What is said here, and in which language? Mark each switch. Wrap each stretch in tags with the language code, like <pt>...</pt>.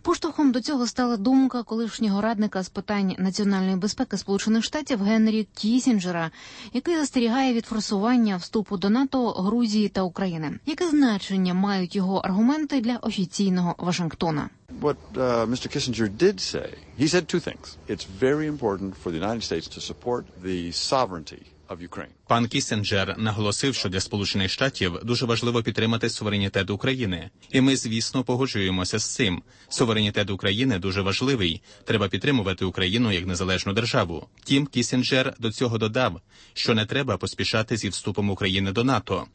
<uk>Поштовхом до цього стала думка колишнього радника з питань національної безпеки Сполучених Штатів Генрі Кісінджера, який застерігає від форсування вступу до НАТО Грузії та України. Яке значення мають його аргументи для офіційного Вашингтона?</uk> <en>What Mr. Kissinger did say, he said two things. It's very important for the United States to support the sovereignty.</en> <uk>Пан Кісінджер наголосив, що для Сполучених Штатів дуже важливо підтримати суверенітет України. І ми, звісно, погоджуємося з цим. Суверенітет України дуже важливий. Треба підтримувати Україну як незалежну державу. Тім Кісінджер до цього додав, що не треба поспішати зі вступом України до НАТО.</uk>